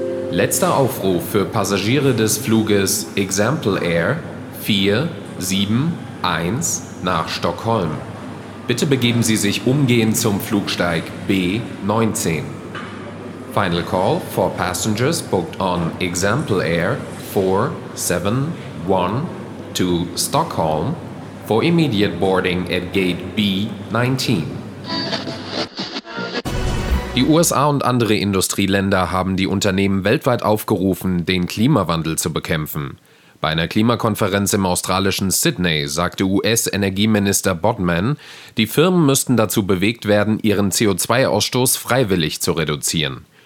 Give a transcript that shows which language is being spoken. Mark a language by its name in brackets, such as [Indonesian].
[German] Letzter Aufruf für Passagiere des Fluges Example Air 471 nach Stockholm. Bitte begeben Sie sich umgehend zum Flugsteig B19. [English] Final call for passengers booked on Example Air 471 to Stockholm for immediate boarding at gate B19. [German] Die USA und andere Industrieländer haben die Unternehmen weltweit aufgerufen, den Klimawandel zu bekämpfen. Bei einer Klimakonferenz im australischen Sydney sagte US-Energieminister Bodman, die Firmen müssten dazu bewegt werden, ihren CO2-Ausstoß freiwillig zu reduzieren.